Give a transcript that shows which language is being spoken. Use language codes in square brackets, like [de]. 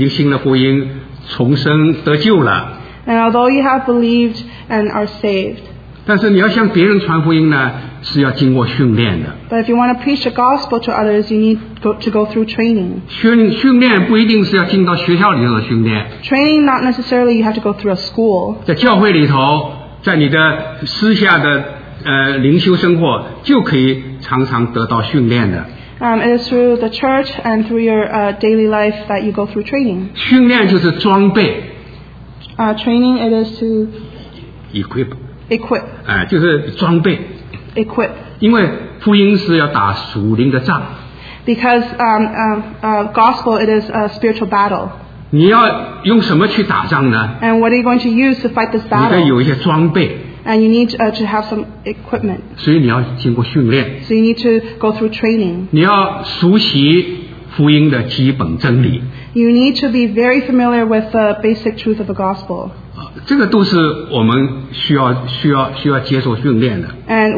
[zh] 虽然你已经是信了福音，重生得救了。 [en] And although you have believed and are saved, [zh] 但是你要向别人传福音呢，是要经过训练的。 [en] But if you want to preach the gospel to others, you need to go through training. [zh] 训练不一定是要进到学校里头的训练。 [en] Training not necessarily you have to go through a school. [zh] 在教会里头，在你的私下的灵修生活，就可以常常得到训练的。 [en] It is through the church and through your daily life that you go through training. [zh] 训练就是装备。 [en] Training it is to equip. Equip. [zh] 就是装备。 [en] Equip. [zh] 因为福音是要打属灵的仗。 [en] Because gospel it is a spiritual battle. [zh] 你要用什么去打仗呢? [en] And what are you going to use to fight this battle? [zh] 你得有一些装备。 [en] And you need to have some equipment. [zh] 所以你要经过训练。 [en] So you need to go through training. [zh] 你要熟悉福音的基本真理。 [en] You need to be very familiar with the basic truth of the gospel. [zh] 这个都是我们需要接受训练的。 [en] And